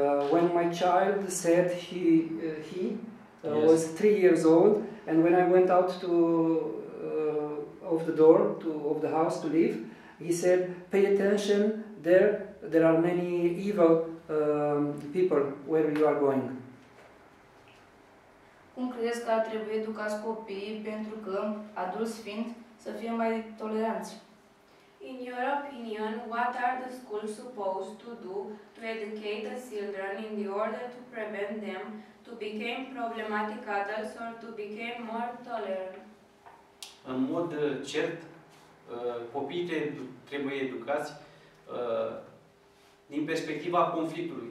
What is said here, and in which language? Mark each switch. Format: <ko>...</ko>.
<en>When my child said he was 3 years old, and when I went out to of the door to of the house to leave, he said, "Pay attention! There are many evil people where you are going."</en> <ro>Cum crezi că trebuie educați copiii pentru că adulți fiind să fie mai toleranți?</ro> <en>In your opinion, what are the schools supposed to do to educate the children in the order to prevent them to become problematic adults or to become more tolerant?</en> <ro>În mod cert, copiii trebuie educați din perspectiva conflictului.</ro>